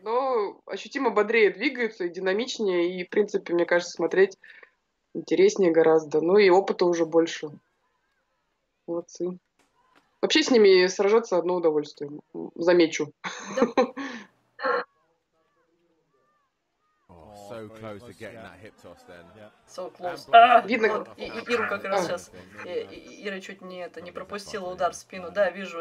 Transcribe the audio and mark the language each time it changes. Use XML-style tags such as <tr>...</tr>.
<ru>Но ощутимо бодрее двигаются и динамичнее. И, в принципе, мне кажется, смотреть интереснее гораздо. Ну и опыта уже больше. Молодцы. Вообще с ними сражаться одно удовольствие, замечу.</ru> <en>So close to getting that hip toss then. So close.</en> <ru>Видно. Иру как раз сейчас. Ира чуть не пропустила удар в спину. Да, вижу.</ru>